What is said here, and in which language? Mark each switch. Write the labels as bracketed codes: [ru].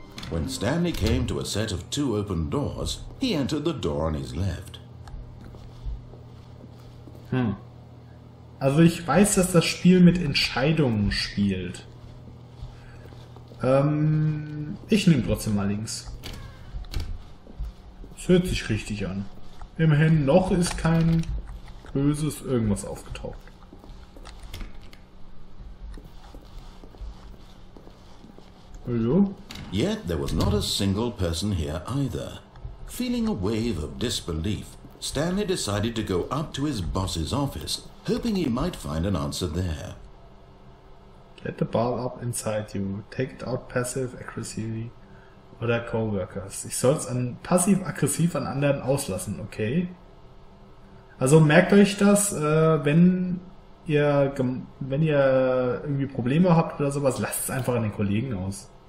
[en] When Stanley came to a set of two open doors, he entered the door on his left. [de] Also ich weiß, dass das Spiel mit Entscheidungen spielt. Ich nehme trotzdem mal links. Es hört sich richtig an. Immerhin, noch ist kein böses irgendwas aufgetaucht. Hallo? [en] Yet there was not a single person here either. Feeling a wave of disbelief, Stanley decided to go up to his boss's office, hoping he might find an answer there. Get the ball up inside you. Take it out passive, aggressively, oder co-workers. [de] Ich soll es an passiv, aggressiv an anderen auslassen, okay? Also merkt euch das, wenn ihr irgendwie Probleme habt oder sowas, lasst es einfach an den Kollegen aus.